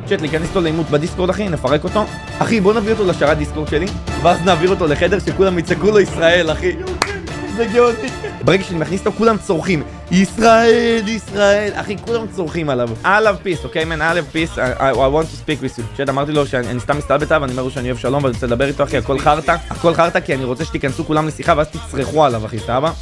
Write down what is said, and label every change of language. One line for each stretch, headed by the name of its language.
Hebrew: צ'אט, להיכנס אותו לאימות בדיסקורד, אחי, נפרק אותו. אחי, בוא נביא אותו לשרת דיסקורד שלי, ואז נעביר אותו לחדר שכולם יצעקו לו ישראל, אחי. זה גאוני. ברגע שאני מכניס אותו, כולם צורכים. ישראל, ישראל, אחי, כולם צורכים עליו.
English: I love peace, okay man, I love peace, I want to speak with you.
Hebrew: צ'אט, אמרתי לו שאני סתם מסתלבט עליו, אני אומר שאני אוהב שלום ואני רוצה לדבר איתו, אחי, הכל חרטה. הכל חרטה כי אני רוצה שתיכנסו כולם לשיחה ואז תצרכו עליו, אחי, סבא?